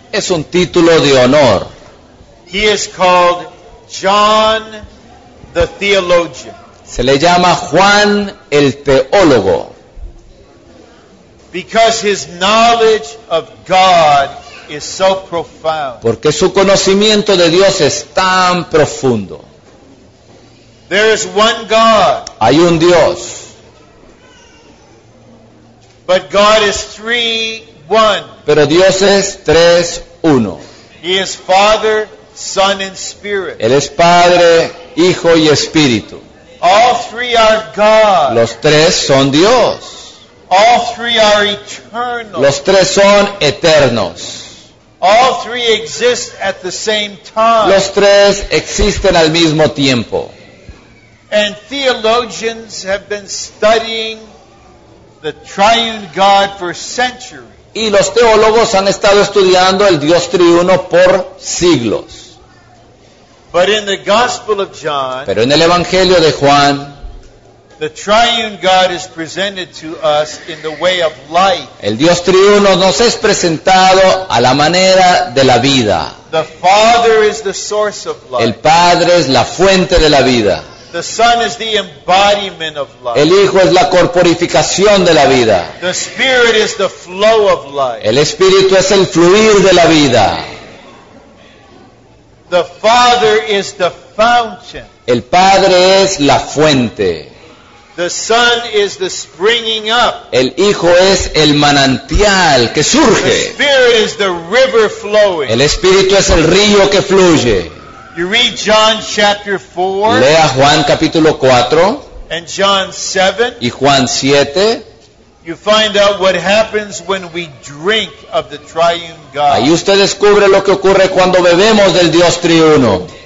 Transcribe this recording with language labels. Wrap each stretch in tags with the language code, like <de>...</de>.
<es>Es un título de honor.</es> <en>He is called John the Theologian.</en> <es>Se le llama Juan el Teólogo.</es> <en>Because his knowledge of God is so profound.</en> <es>Porque su conocimiento de Dios es tan profundo.</es> <en>There is one God.</en> <es>Hay un Dios.</es> <en>But God is three, one.</en> <es>Pero Dios es tres, uno.</es> <en>He is Father, Son, and Spirit.</en> <es>Él es Padre, Hijo y Espíritu.</es> <en>All three are God.</en> <es>Los tres son Dios.</es> <en>All three are eternal.</en> <es>Los tres son eternos.</es> <en>All three exist at the same time.</en> <es>Los tres existen al mismo tiempo.</es> <en>And theologians have been studying the triune God for centuries.</en> <es>Y los teólogos han estado estudiando el Dios triuno por siglos.</es> <en>But in the Gospel of John,</en> <es>pero en el Evangelio de Juan,</es> <en>the triune God is presented to us in the way of life.</en> <es>El Dios triuno nos es presentado a la manera de la vida.</es> <en>The Father is the source of life.</en> <es>El Padre es la fuente de la vida.</es> <en>The Son is the embodiment of life.</en> <es>El Hijo es la corporificación de la vida.</es> <en>The Spirit is the flow of life.</en> <es>El Espíritu es el fluir de la vida.</es> <en>The Father is the fountain.</en> <es>El Padre es la fuente.</es> <en>The Son is the springing up.</en> <es>El Hijo es el manantial que surge.</es> <en>The Spirit is the river flowing.</en> <es>El Espíritu es el río que fluye.</es> <en>You read John chapter 4.</en> <es>Lea Juan capítulo 4.</es> <en>And John 7.</en> <es>Y Juan 7.</es> <en>You find out what happens when we drink of the triune God.</en> <es>Ahí usted descubre lo que ocurre cuando bebemos del Dios triuno.</es>